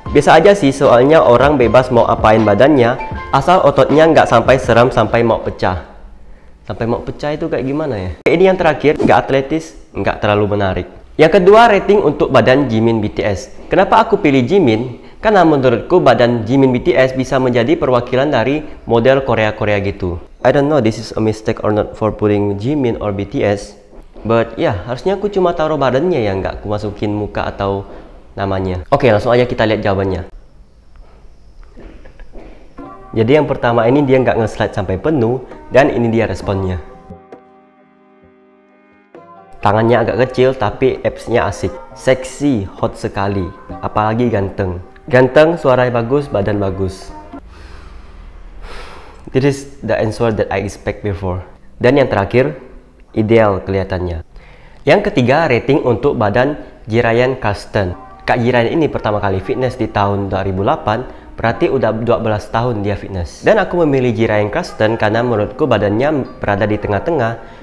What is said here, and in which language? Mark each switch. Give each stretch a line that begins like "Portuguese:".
Indonesian: Biasa aja sih, soalnya orang bebas mau apain badannya asal ototnya nggak sampai serem sampai mau pecah. Sampai mau pecah itu kayak gimana ya? Oke, ini yang terakhir, nggak atletis, nggak terlalu menarik. Yang kedua, rating untuk badan Jimin BTS. Kenapa aku pilih Jimin? Karena menurutku badan Jimin BTS bisa menjadi perwakilan dari model Korea-Korea gitu.
English: I don't know this is a mistake or not for putting Jimin or BTS.
Indonesian: But yeah, harusnya aku cuma taruh badannya ya, nggak aku masukin muka atau namanya. Oke, langsung aja kita lihat jawabannya. Jadi yang pertama ini dia nggak nge-slide sampai penuh, dan ini dia responnya. Tangannya agak kecil, tapi abs-nya asik. Seksi, hot sekali. Apalagi ganteng. Ganteng, suaranya bagus, badan bagus.
English: This is the answer that I expect before.
Indonesian: Dan yang terakhir, ideal kelihatannya. Yang ketiga, rating untuk badan Jiraiyan Karsten. Kak Jiraiyan ini pertama kali fitness di tahun 2008, berarti udah 12 tahun dia fitness. Dan aku memilih Jiraiyan Karsten karena menurutku badannya berada di tengah-tengah.